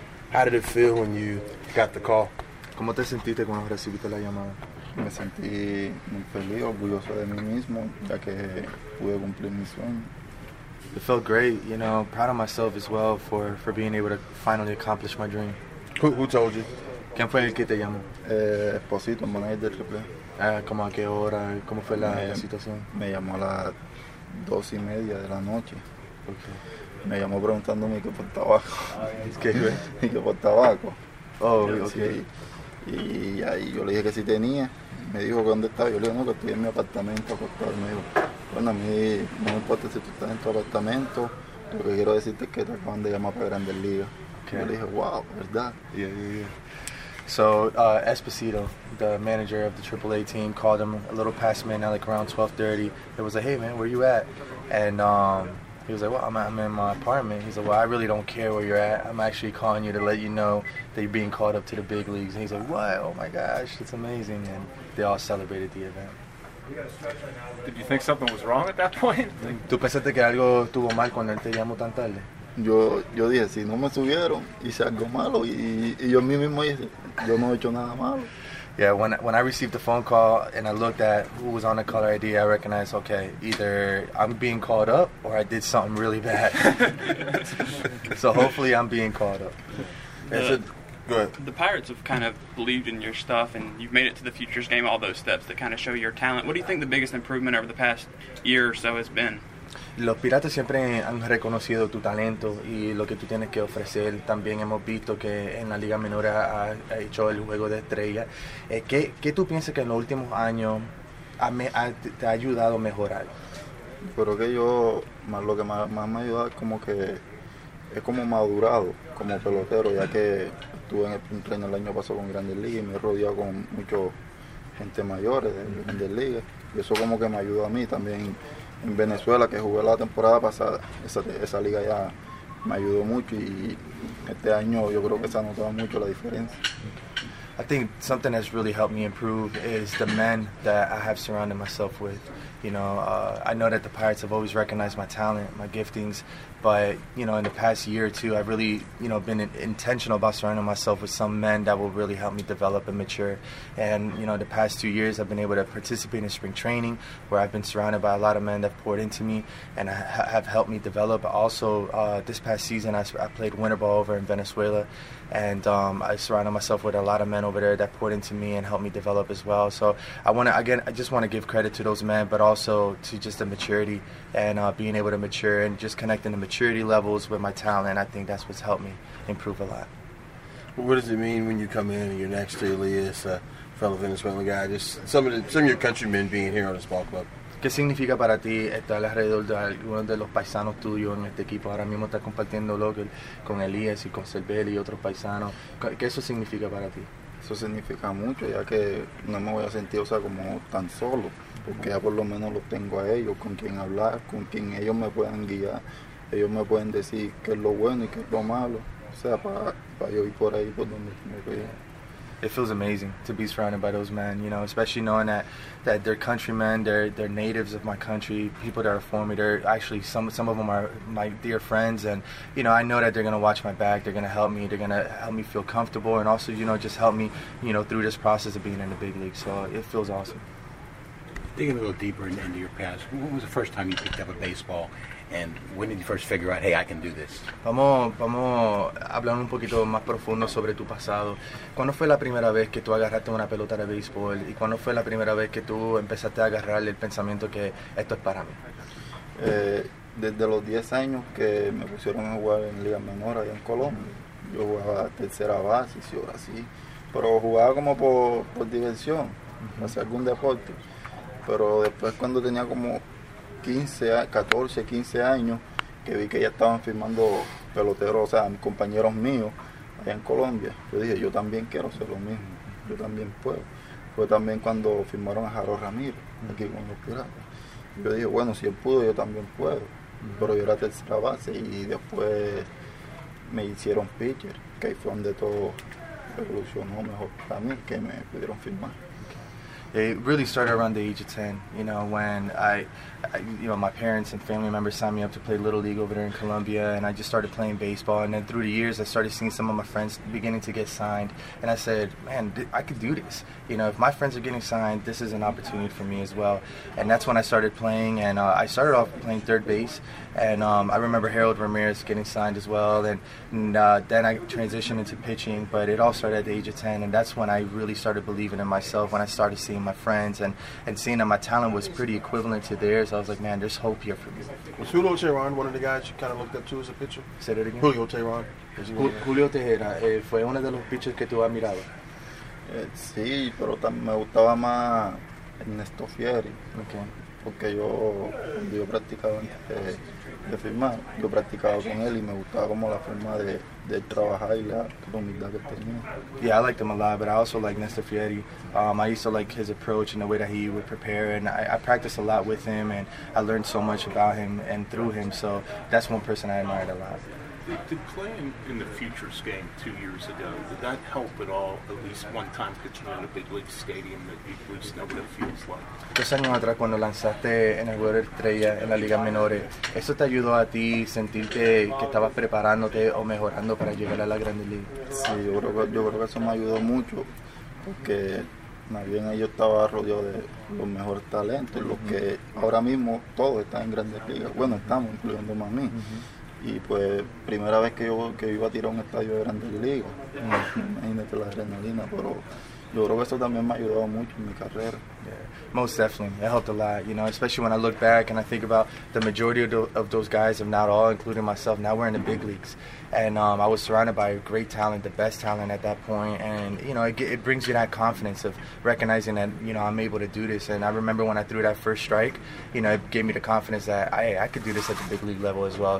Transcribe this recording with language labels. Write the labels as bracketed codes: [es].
[en] How did it feel when you got the call? [es] ¿Cómo te sentiste cuando recibiste la llamada? Me sentí muy feliz, orgulloso de mí mismo, ya que pude cumplir mi sueño. [en] It felt great, you know, proud of myself as well for being able to finally accomplish my dream. Who told you? [es] ¿Quién fue el que te llamó? Esposito, manager del club. ¿Cómo a qué hora? ¿Cómo fue la situación? Me llamó a las 2:30 de la noche. [en] Okay. [es] Me llamó preguntándome qué por tabaco. ¿Qué? Y qué por tabaco. [en] Oh, okay. [es] Y ahí yo le dije que sí tenía. Me dijo que dónde estaba. Yo le dije, no, que estoy en mi apartamento acostado. Me dijo, bueno, a mí no me importa si tú estás en tu apartamento. Lo que quiero decirte es que te acaban de llamar para Grandes Ligas. [en] Okay. [es] Yo le dije, wow, ¿verdad? [en] Yeah. So, Esposito, the manager of the AAA team, called him a little past midnight, like around 12:30. It was like, hey, man, where you at? And he was like, well, I'm in my apartment. He's like, well, I really don't care where you're at. I'm actually calling you to let you know that you're being called up to the big leagues. And he's like, what? Oh, my gosh, it's amazing. And they all celebrated the event. Did you think something was wrong at that point? [es] ¿Tú pensaste que algo estuvo mal cuando él te llamó tan tarde? Yo dije, si no me subieron, hice algo malo. Y yo mismo dije, yo no he hecho nada malo. [en] Yeah, when I received the phone call and I looked at who was on the caller ID, I recognized, okay, either I'm being called up or I did something really bad. So hopefully I'm being called up. The Pirates have kind of believed in your stuff and you've made it to the Futures game, all those steps that kind of show your talent. What do you think the biggest improvement over the past year or so has been? [es] Los Piratas siempre han reconocido tu talento y lo que tú tienes que ofrecer. También hemos visto que en la Liga Menor ha hecho el juego de estrella. ¿Qué tú piensas que en los últimos años te ha ayudado a mejorar? Creo que yo, lo que más me ha ayudado es como madurado como pelotero, ya que estuve en un tren el año pasado con Grandes Ligas y me he rodeado con mucha gente mayor de Grandes Ligas. Y eso como que me ayudó a mí también. En Venezuela, que jugué la temporada pasada, esa liga ya me ayudó mucho y este año yo creo que se ha notado mucho la diferencia. [en] I think something that's really helped me improve is the men that I have surrounded myself with. You know, I know that the Pirates have always recognized my talent, my giftings, but, you know, in the past year or two, I've really, you know, been intentional about surrounding myself with some men that will really help me develop and mature. And, you know, the past 2 years, I've been able to participate in spring training, where I've been surrounded by a lot of men that poured into me and have helped me develop. Also, this past season, I played winter ball over in Venezuela, and I surrounded myself with a lot of men over there that poured into me and helped me develop as well. So I just want to give credit to those men, but also to just the maturity and being able to mature and just connecting the maturity levels with my talent. I think that's what's helped me improve a lot. What does it mean when you come in and you're next to Elias, a fellow Venezuelan guy, just some of your countrymen being here on this ball club? [es] ¿Qué significa para ti estar alrededor de algunos de los paisanos tuyos en este equipo? Ahora mismo estás compartiendo locker con Elías y con Cervelli y otros paisanos. ¿Qué eso significa para ti? Eso significa mucho, ya que no me voy a sentir, o sea, como tan solo, porque ya por lo menos los tengo a ellos, con quien hablar, con quien ellos me puedan guiar. Ellos me pueden decir qué es lo bueno y qué es lo malo, o sea, para yo ir por ahí por donde me voy. [en] It feels amazing to be surrounded by those men, you know, especially knowing that they're countrymen, they're natives of my country, people that are for me. They're actually, some of them are my dear friends, and, you know, I know that they're going to watch my back, they're going to help me, they're going to help me feel comfortable, and also, you know, just help me, you know, through this process of being in the big league. So it feels awesome. Digging a little deeper into your past, when was the first time you picked up a baseball? And when did you first figure out, hey, I can do this? [es] Vamos a hablar un poquito más profundo sobre tu pasado. ¿Cuándo fue la primera vez que tú agarraste una pelota de béisbol? ¿Y cuándo fue la primera vez que tú empezaste a agarrar el pensamiento que esto es para mí? Desde los 10 años que me pusieron a jugar en Liga Menor allá en Colombia. Yo jugaba tercera base, si ahora sí. Pero jugaba como por diversión, hacer algún deporte. Pero después cuando tenía como 14, 15 años, que vi que ya estaban firmando peloteros, o sea, compañeros míos allá en Colombia, yo dije, yo también quiero hacer lo mismo, yo también puedo. Fue también cuando firmaron a Jaro Ramírez, aquí con los Piratas. Yo dije, bueno, si él pudo, yo también puedo. Pero yo era tercera base y después me hicieron pitcher, que ahí fue donde todo evolucionó mejor para mí, que me pudieron firmar. [en] It really started around the age of 10, you know, when I, you know, my parents and family members signed me up to play Little League over there in Colombia, and I just started playing baseball. And then through the years, I started seeing some of my friends beginning to get signed. And I said, man, I could do this. You know, if my friends are getting signed, this is an opportunity for me as well. And that's when I started playing, and I started off playing third base. And I remember Harold Ramirez getting signed as well. And then I transitioned into pitching, but it all started at the age of 10. And that's when I really started believing in myself, when I started seeing my friends and seeing that my talent was pretty equivalent to theirs. So I was like, man, there's hope here for me. Was Julio Teheran one of the guys you kind of looked up to as a pitcher? Say that again. Julio Teheran. [es] Julio Teheran, fue uno de los pitchers que tú admirabas. Sí, pero me gustaba más Ernesto Fieri. [en] Okay. [es] Porque yo practicaba de firmar. Yo practicaba con él y me gustaba como la forma de trabajar y la humildad que tenía. [en] Yeah, I liked him a lot, but I also like Nestor Fieri. I used to like his approach and the way that he would prepare, and I practiced a lot with him, and I learned so much about him and through him, so that's one person I admired a lot. Did playing in the Futures game 2 years ago, did that help at all, at least one time pitching on a big league stadium that you at least know what it feels like? [es] 2 años atrás cuando lanzaste en el juego de estrella en la Liga Menores, ¿eso te ayudó a ti sentirte que estabas preparándote o mejorando para llegar a la Grande Liga? Sí, yo creo que eso me ayudó mucho porque más bien yo estaba rodeado de los mejores talentos, los que ahora mismo todos están en Grandes Ligas. Bueno, estamos, incluyendo a mí. Y pues, primera vez que iba a tirar un estadio de Grandes Ligas. Imagínate la adrenalina, pero yo creo que eso también me ha ayudado mucho en mi carrera. [en] Most definitely. It helped a lot, you know, especially when I look back and I think about the majority of those guys, if not all, including myself, now we're in the big leagues. And I was surrounded by great talent, the best talent at that point. And, you know, it brings you that confidence of recognizing that, you know, I'm able to do this. And I remember when I threw that first strike, you know, it gave me the confidence that, hey, I could do this at the big league level as well.